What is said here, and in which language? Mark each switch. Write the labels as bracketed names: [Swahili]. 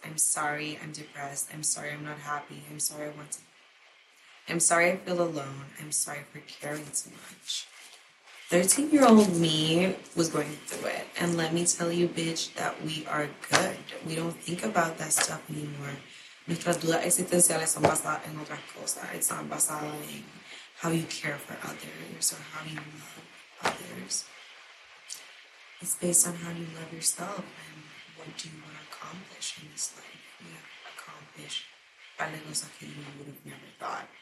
[English] I'm sorry I'm depressed. I'm sorry I'm not happy. I'm sorry I want to. I'm sorry I feel alone. I'm sorry for caring too much. 13-year-old me was going through it. And let me tell you, bitch, that we are good. We don't think about that stuff anymore. [Spanish] Nuestras dudas existenciales son basadas en otras cosas. [English] It's not basadas in how you care for others or how you love others. It's based on how you love yourself and what do you want to accomplish in this life. You have to accomplish other [Spanish] cosas que [English] you would have never thought.